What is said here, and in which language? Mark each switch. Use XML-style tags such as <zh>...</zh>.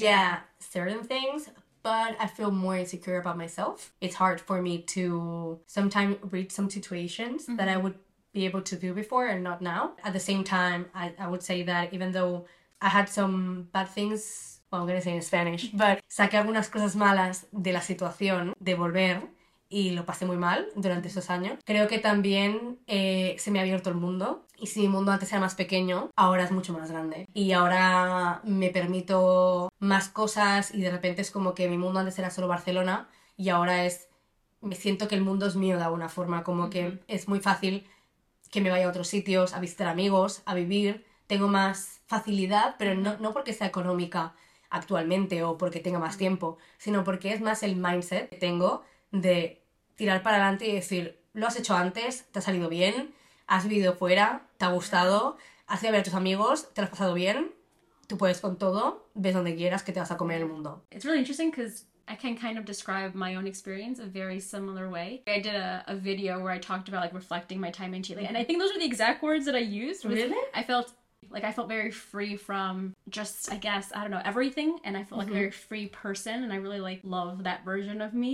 <en>Yeah, certain things. But I feel more insecure about myself. It's hard for me to sometimes read some situations, mm-hmm. that I would be able to do before and not now. At the same time, I would say that even though I had some bad things... Well, I'm going to say in Spanish. But</en> <es>saqué algunas cosas malas de la situación de volver... Y lo pasé muy mal durante esos años. Creo que también se me ha abierto el mundo. Y si mi mundo antes era más pequeño, ahora es mucho más grande. Y ahora me permito más cosas. Y de repente es como que mi mundo antes era solo Barcelona. Y ahora es... Me siento que el mundo es mío de alguna forma. Como, uh-huh. que es muy fácil que me vaya a otros sitios, a visitar amigos, a vivir. Tengo más facilidad, pero no porque sea económica actualmente o porque tenga más tiempo. Sino porque es más el mindset que tengo... de tirar para adelante y decir, lo has hecho antes, te ha salido bien, has vivido fuera, te ha gustado, has ido a ver a tus amigos, te lo has pasado bien, tú puedes con todo, ves donde quieras que te vas a comer el mundo.</es> <en>It's really interesting because I can kind of describe my own experience a very similar way. I did a video where I talked about like reflecting my time in Chile, and I think those are the exact words that I used. Really? I felt very free from just, I guess, I don't know, everything. And I felt, mm-hmm. like a very free person. And I really, like, love that version of me.</en>